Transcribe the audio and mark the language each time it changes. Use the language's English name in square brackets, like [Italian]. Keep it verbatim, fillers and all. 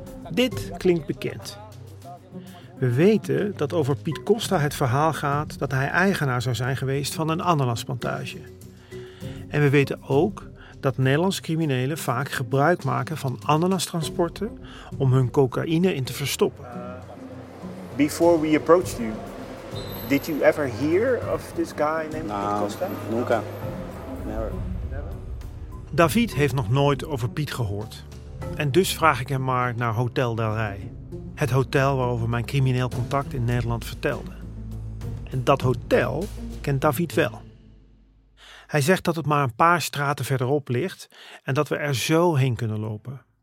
[Dutch] Dit klinkt bekend. We weten dat over Piet Costa het verhaal gaat dat hij eigenaar zou zijn geweest van een ananasplantage. En we weten ook dat Nederlandse criminelen vaak gebruik maken van ananastransporten om hun cocaïne in te verstoppen. [English] Before we approached you, did you ever hear of this guy named no, Costa? [Spanish] Nunca. [English] Never. Never. [Dutch] David heeft nog nooit over Piet gehoord. En dus vraag ik hem maar naar Hotel Del Rey. Het hotel waarover mijn crimineel contact in Nederland vertelde. En dat hotel kent David wel. Hij zegt dat het maar een paar straten verderop ligt en dat we er zo heen kunnen lopen.